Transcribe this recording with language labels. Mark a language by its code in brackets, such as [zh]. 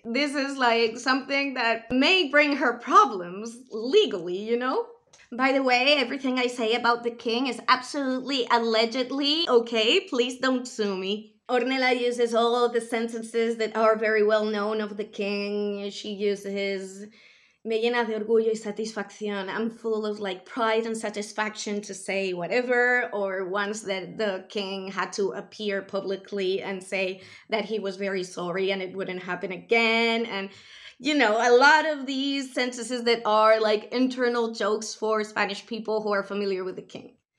[en] This is like something that may bring her problems legally, you know? By the way, everything I say about the king is absolutely allegedly okay. Please don't sue me. Hornella uses all of the sentences that are very well known of the king. She uses, [es] me llena de orgullo y satisfacción. [en] I'm full of like pride and satisfaction to say whatever. Or once that the king had to appear publicly and say that he was very sorry and it wouldn't happen again. And you know, a lot of these sentences that are like internal jokes for Spanish people who are familiar with the king.